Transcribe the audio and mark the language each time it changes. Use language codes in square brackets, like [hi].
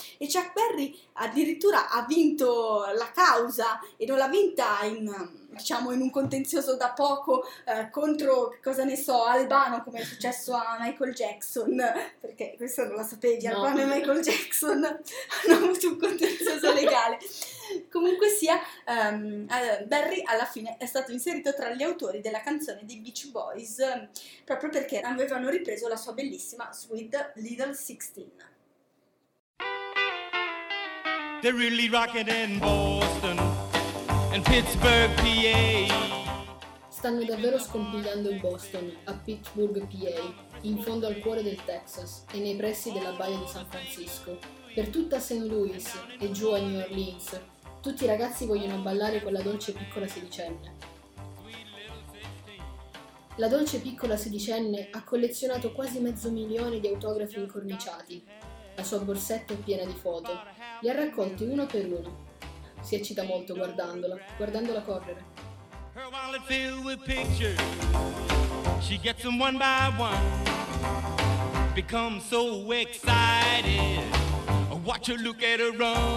[it] E Chuck Berry addirittura ha vinto la causa e non l'ha vinta in, diciamo, in un contenzioso da poco contro, cosa ne so, Albano, come è successo a Michael Jackson, perché questo non la sapevi, Albano e Michael Jackson hanno avuto un contenzioso legale. Comunque sia, Berry alla fine è stato inserito tra gli autori della canzone dei Beach Boys proprio perché avevano ripreso la sua bellissima Sweet Little 16. [en] They're really rocking in Boston and Pittsburgh, PA. [it] Stanno davvero scompigliando il Boston a Pittsburgh, PA, in fondo al cuore del Texas e nei pressi della baia di San Francisco. Per tutta St. Louis e giù a New Orleans, tutti i ragazzi vogliono ballare con la dolce piccola sedicenne. La dolce piccola sedicenne ha collezionato quasi 500.000 di autografi incorniciati. La sua borsetta è piena di foto. Li ha raccolti uno per uno. Si eccita molto guardandola correre. [en] Her wallet filled with pictures. She gets them one by one. Become so excited. Watch her look at her run.